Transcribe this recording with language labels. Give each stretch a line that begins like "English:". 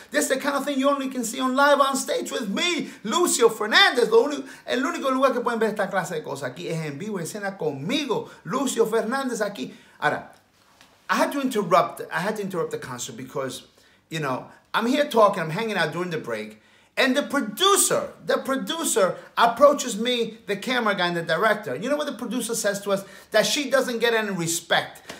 English: This is the kind of thing you only can see on live on stage with me, Lucio Fernandez.
Spanish: El único lugar que pueden ver esta clase de cosas aquí es en vivo, en escena conmigo, Lucio Fernandez aquí.
English: Ahora, I had to interrupt the concert because, you know, I'm here talking, I'm hanging out during the break, and the producer approaches me, the camera guy and the director. You know what the producer says to us? That she doesn't get any respect.